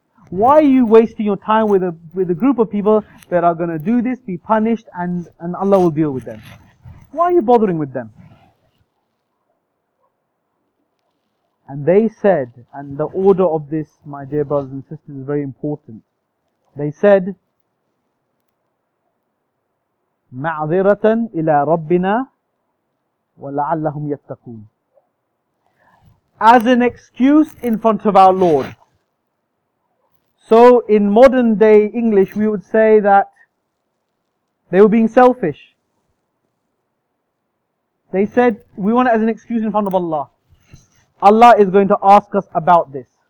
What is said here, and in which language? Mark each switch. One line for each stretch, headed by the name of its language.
English: Why are you wasting your time with a group of people that are going to do this, be punished, and Allah will deal with them? Why are you bothering with them? And they said, and the order of this, my dear brothers and sisters, is very important. They said,
Arabic: مَعْذِرَةً إِلَىٰ رَبِّنَا وَلَعَلَّهُمْ يَتَّقُونَ.
English: As an excuse in front of our Lord. So in modern day English, we would say that they were being selfish. They said, we want it as an excuse in front of Allah. Allah is going to ask us about this.